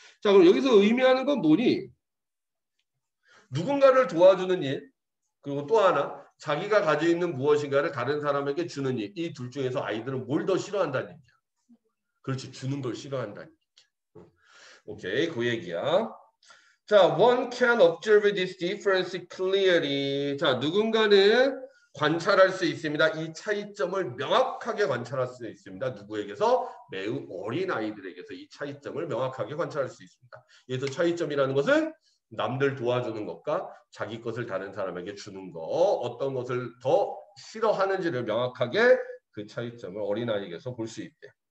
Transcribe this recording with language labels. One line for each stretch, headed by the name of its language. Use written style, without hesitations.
Korean: 자, 그럼 여기서 의미하는 건 뭐니? 누군가를 도와주는 일. 그리고 또 하나. 자기가 가지고 있는 무엇인가를 다른 사람에게 주는 일. 이 둘 중에서 아이들은 뭘 더 싫어한다는 얘기야. 그렇지. 주는 걸 싫어한다는 얘기야. 오케이. 그 얘기야.
English: 자, one can observe this difference clearly.
Korean: 자, 누군가는 관찰할 수 있습니다. 이 차이점을 명확하게 관찰할 수 있습니다. 누구에게서? 매우 어린 아이들에게서 이 차이점을 명확하게 관찰할 수 있습니다. 여기서 차이점이라는 것은 남들 도와주는 것과 자기 것을 다른 사람에게 주는 것, 어떤 것을 더 싫어하는지를 명확하게 그 차이점을 어린아이에게서 볼수 있대.